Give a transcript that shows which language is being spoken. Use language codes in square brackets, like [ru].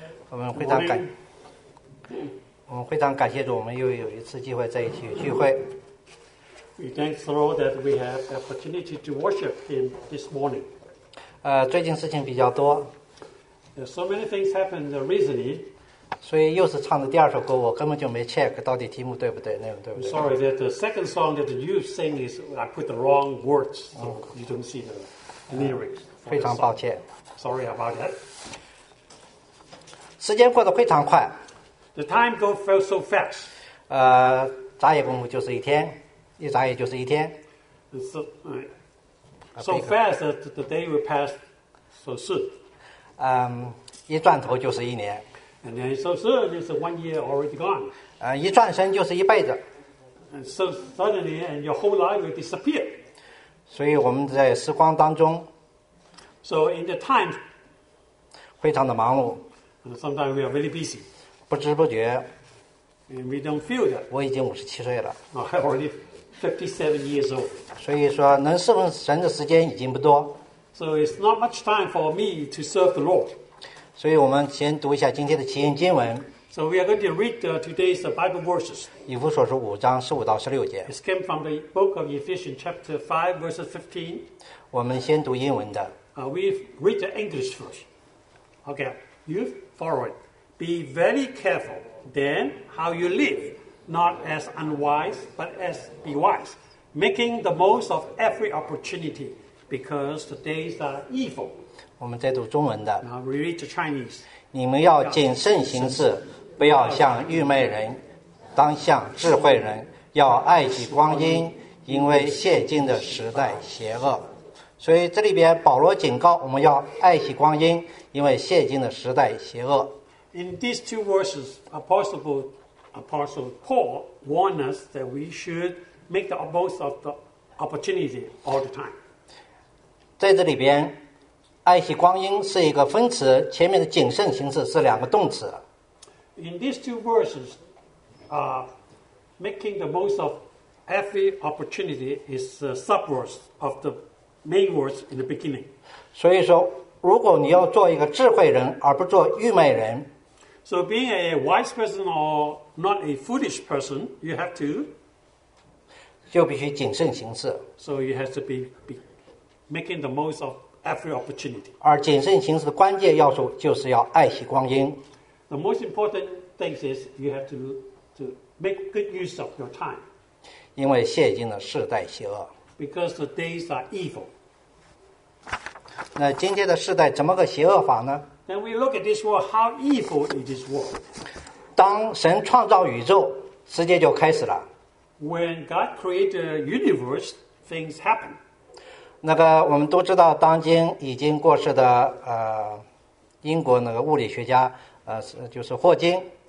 [zh] 我们非常感，我们非常感谢主，我们又有一次机会在一起聚会。 [en] We thank the Lord that we have the opportunity to worship Him this morning. [zh] 最近事情比较多。 [en] There are so many things happened recently. [zh] 所以又是唱的第二首歌，我根本就没 check 到底题目对不对，内容对不对。 [en] I'm sorry that the second song that you sing is I put the wrong words, so you don't see the lyrics. [zh] 非常抱歉。 [en] Sorry about that. [zh] 时间过得非常快。 [en] The time goes so fast. [zh] 眨眼功夫就是一天，一眨眼就是一天。 [en] So fast that the day will pass so soon. [zh] 一转头就是一年。 [en] And then so soon is one year already gone. [zh] 一转身就是一辈子。 [en] And so suddenly and your whole life will disappear. [zh] 所以我们在时光当中。 [en] So in the time, [zh] 非常的忙碌。 [en] Sometimes we are very busy. [zh] 不知不觉， [en] and we don't feel that. [zh] 我已经五十七岁了。 [en] Oh, I'm already 57 years old. [zh] 所以说，能侍奉神的时间已经不多。 [en] So it's not much time for me to serve the Lord. [zh] 所以我们先读一下今天的起因经文。 [en] So we are going to read today's Bible verses. [zh] 以弗所书五章十五到十六节。 [en] It came from the book of Ephesians chapter 5 verses 15. [zh] 我们先读英文的。 [en] We read the English first. Okay, you follow it. Be very careful then how you live, not as unwise, but as be wise, making the most of every opportunity, because the days are evil. [zh] 我们再读中文的。 [en] Now we read the Chinese. [zh] 你们要谨慎行事，不要像愚昧人，当像智慧人，要爱惜光阴，因为现今的时代邪恶。所以这里边保罗警告我们要爱惜光阴，因为现今的时代邪恶。 [en] In these two verses, Apostle Paul warned us that we should make the most of the opportunity all the time. [zh] 在这里边，爱惜光阴是一个分词，前面的谨慎行事是两个动词。 [en] In these two verses, making the most of every opportunity is the subverse of the main words in the beginning. [zh] 所以说，如果你要做一个智慧人，而不做愚昧人。 [en] So being a wise person or not a foolish person, you have to [zh] 就必须谨慎行事。 [en] So you have to be making the most of every opportunity. [zh] 而谨慎行事的关键要素就是要爱惜光阴。 [en] The most important thing is you have to make good use of your time. [zh] 因为现今的世代邪恶。 [en] Because the days are evil. [zh] 那今天的世代怎么个邪恶法呢？ [en] Then we look at this world, how evil is this world? [zh] 当神创造宇宙，世界就开始了。 [en] When God created the universe, things happen. [zh] 那个我们都知道，当今已经过世的英国那个物理学家就是霍金。